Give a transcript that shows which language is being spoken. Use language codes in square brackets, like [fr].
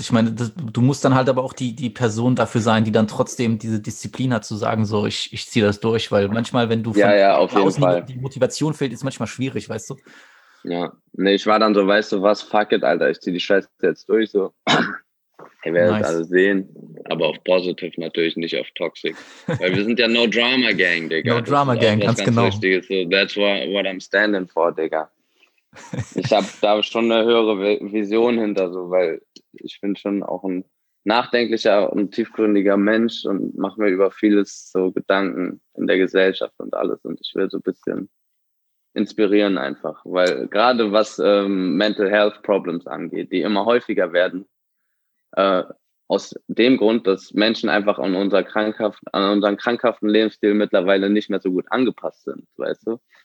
[de] Ich meine, du musst dann halt aber auch die Person dafür sein, die dann trotzdem diese Disziplin hat, zu sagen, so, ich ziehe das durch, weil manchmal, wenn du von außen die Motivation fehlt, ist manchmal schwierig, weißt du? Ja, nee, ich war dann so, weißt du was, [en] fuck it, [de] Alter, ich ziehe die Scheiße jetzt durch, so. Ihr werdet nice. Alle sehen, aber auf positiv natürlich, nicht auf toxic. Weil wir sind ja No Drama Gang, Digga. No Drama Gang, ganz genau. Wichtiges. [en] So, that's what I'm standing for, Digga. [de] Ich habe da schon eine höhere Vision hinter, so, weil ich bin schon auch ein nachdenklicher und tiefgründiger Mensch und mache mir über vieles so Gedanken in der Gesellschaft und alles. Und ich will so ein bisschen inspirieren einfach, weil gerade was Mental Health Problems angeht, die immer häufiger werden, aus dem Grund, dass Menschen einfach an unseren krankhaften Lebensstil mittlerweile nicht mehr so gut angepasst sind, weißt du?